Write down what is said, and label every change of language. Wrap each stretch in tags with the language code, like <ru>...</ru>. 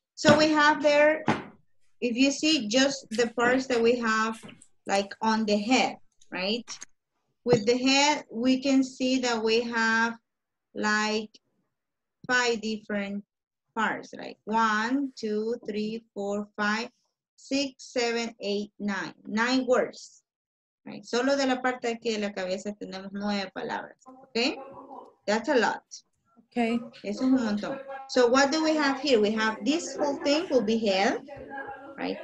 <en>So, we have there, if you see, just the parts that we have, like, on the head, right? With the head, we can see that we have like five different parts, like 1, 2, 3, 4, 5, 6, 7, 8, 9. 9 words, right?</en> <es>Solo de la parte aquí de la cabeza tenemos 9 palabras, okay?</es> <en>That's a lot. Okay.</en> <es>Eso es un montón.</es> <en>So what do we have here? We have this whole thing will be head, right?</en>